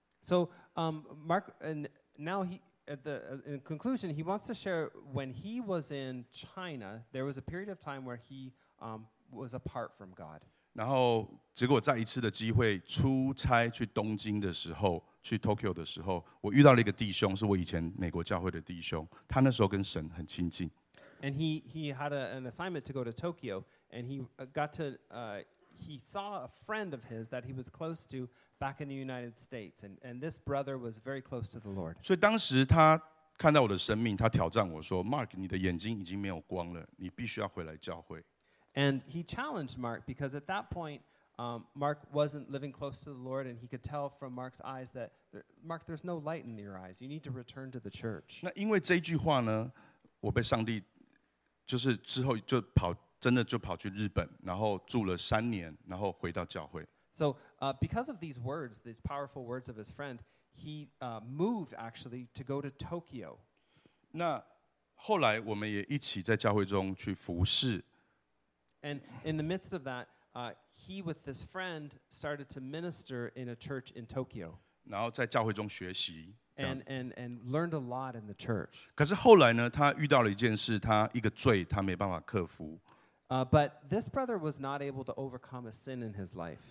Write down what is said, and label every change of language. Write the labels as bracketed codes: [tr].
[en] So, Mark, and now in conclusion, he wants to share when he was in China, there was a period of time where he was apart from God. [zh] 然后结果在一次的机会出差去东京的时候去 Tokyo 的时候我遇到了一个弟兄是我以前美国教会的弟兄他那时候跟神很亲近。 [en] And he had an assignment to go to Tokyo, and he got to, he saw a friend of his that he was close to back in the United States, and this brother was very close to the Lord. [zh] 所以当时他看到我的生命，他挑战我说 ，Mark， 你的眼睛已经没有光了，你必须要回来教会。 [en] And he challenged Mark because at that point, Mark wasn't living close to the Lord, and he could tell from Mark's eyes that Mark, there's no light in your eyes. You need to return to the church. [zh] 那因为这句话呢，我被上帝。就是之后就跑，真的就跑去日本，然后住了三年，然后回到教会。 [en] So, because of these words, these powerful words of his friend, he moved actually to go to Tokyo. [zh] 那后来我们也一起在教会中去服侍。 [en] And in the midst of that, he with this friend started to minister in a church in Tokyo. [zh] 然后在教会中学习。 [en] And learned a lot in the church. [zh] 可是后来呢，他遇到了一件事，他一个罪，他没办法克服。 [en] But this brother was not able to overcome a sin in his life.